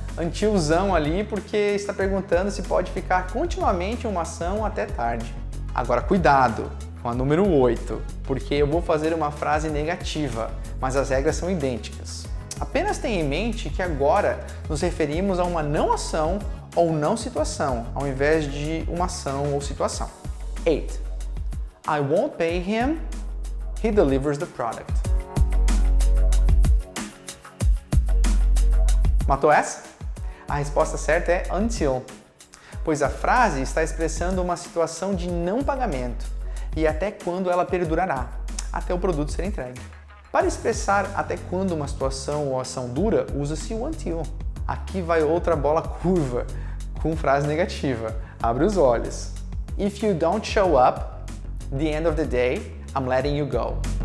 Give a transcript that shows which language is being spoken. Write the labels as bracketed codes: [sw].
[pt] Antilzão ali porque está perguntando se pode ficar continuamente uma ação até tarde. Agora, cuidado! Com a número 8, porque eu vou fazer uma frase negativa, mas as regras são idênticas. Apenas tenha em mente que agora nos referimos a uma não ação ou não situação, ao invés de uma ação ou situação. 8. [en] I won't pay him, he delivers the product. [pt] Matou essa? A resposta certa é until, pois a frase está expressando uma situação de não pagamento. E até quando ela perdurará, até o produto ser entregue. Para expressar até quando uma situação ou ação dura, usa-se o until. Aqui vai outra bola curva com frase negativa. Abre os olhos. [en] If you don't show up, the end of the day, I'm letting you go.